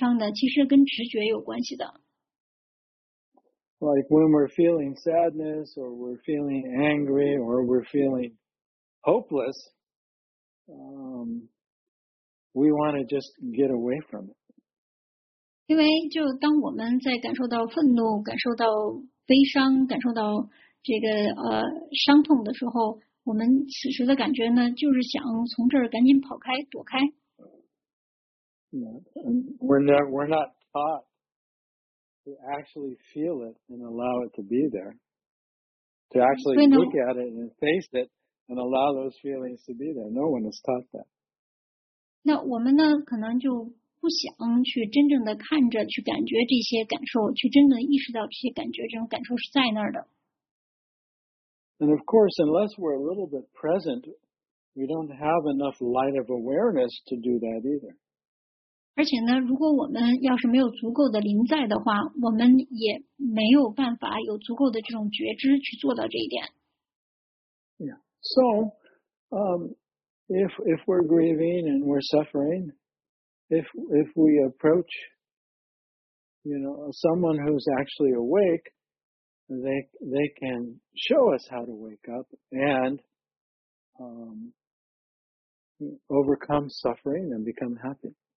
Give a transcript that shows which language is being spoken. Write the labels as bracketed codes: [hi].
[zh] 但其实呢，就是要治愈这个悲伤的，其实跟直觉有关系的。 [en] Like when we're feeling sadness, or we're feeling angry, or we're feeling hopeless, we want to just get away from it. [zh] 因为就当我们在感受到愤怒，感受到悲伤，感受到这个伤痛的时候，我们此时的感觉呢，就是想从这儿赶紧跑开，躲开。 [en] We're not taught to actually feel it and allow it to be there. To actually look at it and face it and allow those feelings to be there. No one is taught that. [zh] 那我们呢，可能就 不想去真正的看着，去感觉这些感受，去真正意识到这些感觉，这种感受是在那儿的。 [en] And of course, unless we're a little bit present, we don't have enough light of awareness to do that either. [zh] 而且呢，如果我们要是没有足够的临在的话，我们也没有办法有足够的这种觉知去做到这一点。Yeah. [en] So, if we're grieving and we're suffering, If we approach, you know, someone who's actually awake, they can show us how to wake up and overcome suffering and become happy.